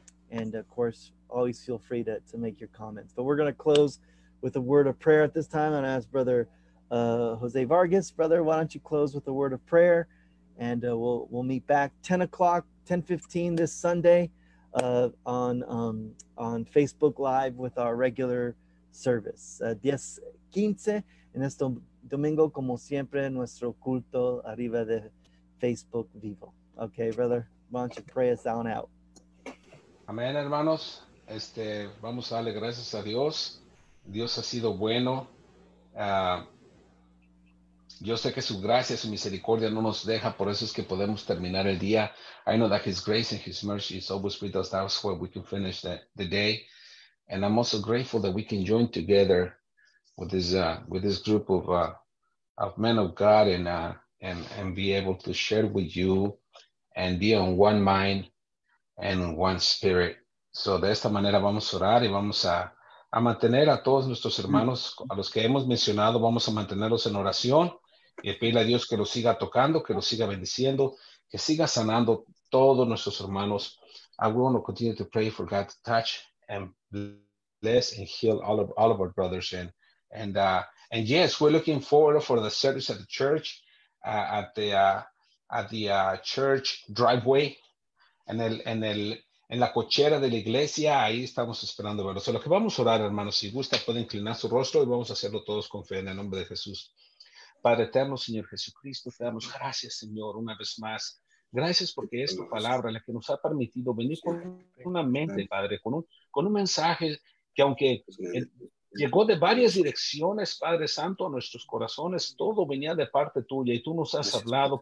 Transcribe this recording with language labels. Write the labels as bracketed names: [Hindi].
[English] And of course, always feel free to make your comments. But we're going to close with a word of prayer at this time. And I ask Brother Jose Vargas, brother, why don't you close with a word of prayer? And we'll meet back 10 o'clock, 10:15 this Sunday on Facebook Live with our regular service. [Spanish] 10:15 en este domingo, como siempre, nuestro culto arriba de Facebook Vivo. [English] Okay, brother, why don't you pray us on out? [Spanish] Amén, hermanos. Vamos a darle gracias a Dios. Dios ha sido bueno. Yo sé que su gracia, su misericordia no nos deja. Por eso es que podemos terminar el día. [English] I know that His grace and His mercy is always with us. That's where we can finish the day. And I'm also grateful that we can join together with this group of men of God and be able to share with you and be on one mind and one spirit. [Spanish] So de esta manera vamos a orar y vamos a mantener a todos nuestros hermanos, a los que hemos mencionado, vamos a mantenerlos en oración y pedirle a Dios que los siga tocando, que los siga bendiciendo, que siga sanando todos nuestros hermanos. [English] I want to continue to pray for God to touch and bless and heal all of our brothers. And yes, we're looking forward for the service at the church, at the church driveway. [Spanish] En la cochera de la iglesia, ahí estamos esperando verlos. Lo que vamos a orar, hermanos, si gusta, puede inclinar su rostro y vamos a hacerlo todos con fe en el nombre de Jesús. Padre eterno, Señor Jesucristo, te damos gracias, Señor, una vez más. Gracias porque es tu palabra la que nos ha permitido venir con una mente, Padre, con un mensaje que aunque llegó de varias direcciones, Padre Santo, a nuestros corazones, todo venía de parte tuya y tú nos has hablado.